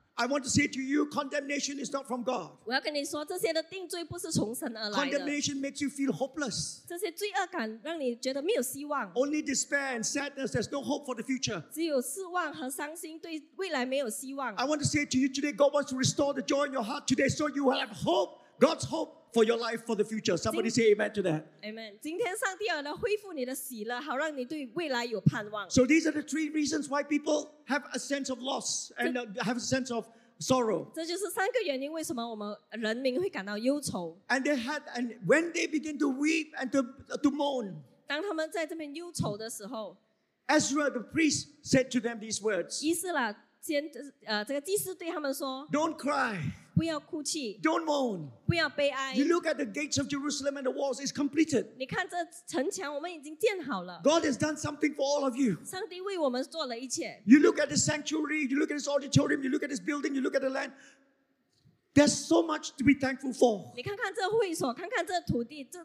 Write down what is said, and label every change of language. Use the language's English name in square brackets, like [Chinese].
[English] I want to say to you, condemnation is not from God. [Chinese] 我要跟你说，这些的定罪不是从神而来的。 [English] Condemnation makes you feel hopeless. [Chinese] 这些罪恶感让你觉得没有希望。 [English] Only despair and sadness, there's no hope for the future. [Chinese] 只有失望和伤心，对未来没有希望。 [English] I want to say to you today, God wants to restore the joy in your heart today so you have hope, God's hope for your life, for the future. Somebody say amen to that. Amen. [Chinese] 今天上帝要来恢复你的喜乐，好让你对未来有盼望。 [English] So these are the three reasons why people have a sense of loss and have a sense of sorrow. [Chinese] 这就是三个原因为什么我们人民会感到忧愁。 [English] And they had, and when they begin to weep and to moan, [Chinese] 当他们在这边忧愁的时候, [English] Ezra the priest said to them these words. [Chinese] 伊斯拉先这个祭司对他们说, [English] don't cry. [Chinese] 不要哭泣, [English] don't moan. [Chinese] 不要悲哀, [English] you look at the gates of Jerusalem and the walls, it's completed. [Chinese] 你看这城墙我们已经建好了。 [English] God has done something for all of you. [Chinese] 上帝为我们做了一切。 [English] You look at the sanctuary, you look at this auditorium, you look at this building, you look at the land. There's so much to be thankful for. [Chinese] 你看看这会所, 看看这土地,